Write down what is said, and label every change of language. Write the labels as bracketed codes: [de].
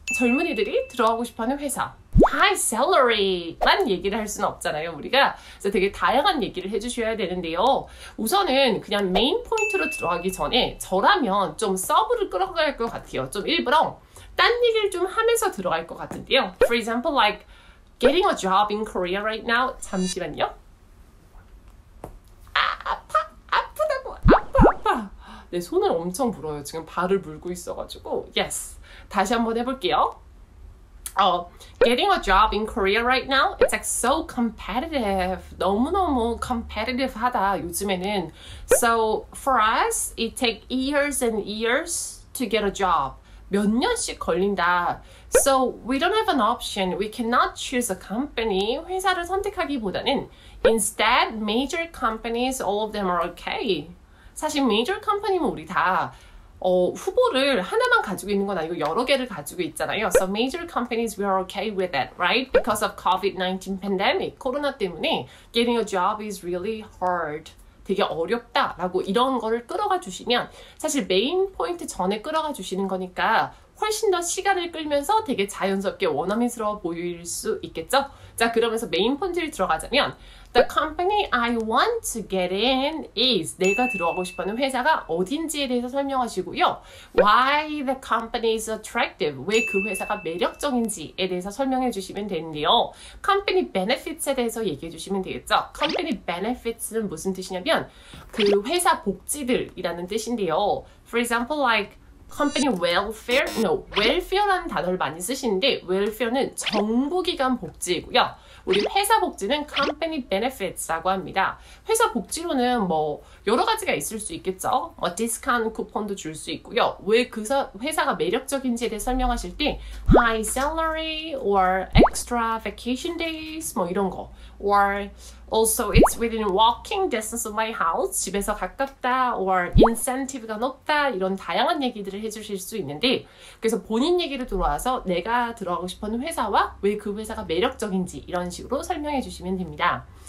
[ko] 젊은이들이 들어가고 싶어하는 회사. [en] High salary [ko] 만 얘기를 할 수는 없잖아요, 우리가. 그래서 되게 다양한 얘기를 해주셔야 되는데요. 우선은 그냥 메인 포인트로 들어가기 전에 저라면 좀 서브를 끌어갈 것 같아요. 좀 일부러 딴 얘기를 좀 하면서 들어갈 것 같은데요. [en] For example, like getting a job in Korea right now. [ko] 잠시만요. 아, 아파! 아프다고! 아파! 아파! 내 손을 엄청 불어요. 지금 발을 물고 있어가지고. Yes. 다시 한번 해볼게요. [en] Getting a job in Korea right now, it's like so competitive. [ko] 너무너무 competitive 하다, 요즘에는. [en] So for us, it takes years and years to get a job. [ko] 몇 년씩 걸린다. [en] So we don't have an option. We cannot choose a company. [ko] 회사를 선택하기보다는 [en] instead major companies, all of them are okay. [ko] 사실 major company는 우리 다 후보를 하나만 가지고 있는 건 아니고 여러 개를 가지고 있잖아요. [en] So major companies, we are okay with it, right? Because of COVID-19 pandemic, [ko] 코로나 때문에 [en] getting a job is really hard. [ko] 되게 어렵다 라고 이런 거를 끌어가 주시면 사실 메인 포인트 전에 끌어가 주시는 거니까 훨씬 더 시간을 끌면서 되게 자연스럽게 원어민스러워 보일 수 있겠죠? 자, 그러면서 메인 포인트를 들어가자면 [en] The company I want to get in is [ko] 내가 들어가고 싶어하는 회사가 어딘지에 대해서 설명하시고요. [en] Why the company is attractive? [ko] 왜 그 회사가 매력적인지에 대해서 설명해 주시면 되는데요. Company benefits에 대해서 얘기해 주시면 되겠죠. Company benefits는 무슨 뜻이냐면 그 회사 복지들이라는 뜻인데요. [en] For example, like company welfare? [ko] No, welfare라는 단어를 많이 쓰시는데 welfare는 정부기관 복지이고요. 우리 회사 복지는 company benefits라고 합니다. 회사 복지로는 뭐 여러 가지가 있을 수 있겠죠. 뭐 디스카운트 쿠폰도 줄 수 있고요. 왜 그 회사가 매력적인지에 대해 설명하실 때 [en] high salary or extra vacation days [ko] 뭐 이런 거 [en] or also it's within walking distance of my house [ko] 집에서 가깝다 or incentive가 높다 이런 다양한 얘기들을 해주실 수 있는데 그래서 본인 얘기로 들어와서 내가 들어가고 싶은 회사와 왜 그 회사가 매력적인지 이런 식으로 설명해 주시면 됩니다.